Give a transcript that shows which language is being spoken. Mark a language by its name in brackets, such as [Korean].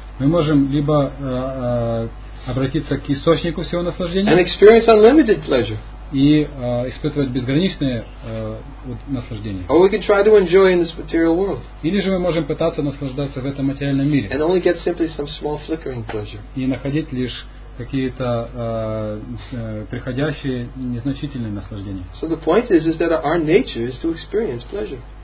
[Russian] Мы можем либо обратиться к источнику всего наслаждения. [English] And experience unlimited pleasure. [Russian] И испытывать безграничное наслаждение. [English] Or we can try to enjoy in this material world. [Russian] Или же мы можем пытаться наслаждаться в этом материальном мире. [English] And only get simply some small flickering pleasure. [Russian] И находить лишь какие-то приходящие незначительные наслаждения. [English] So the point is that our nature is to experience pleasure.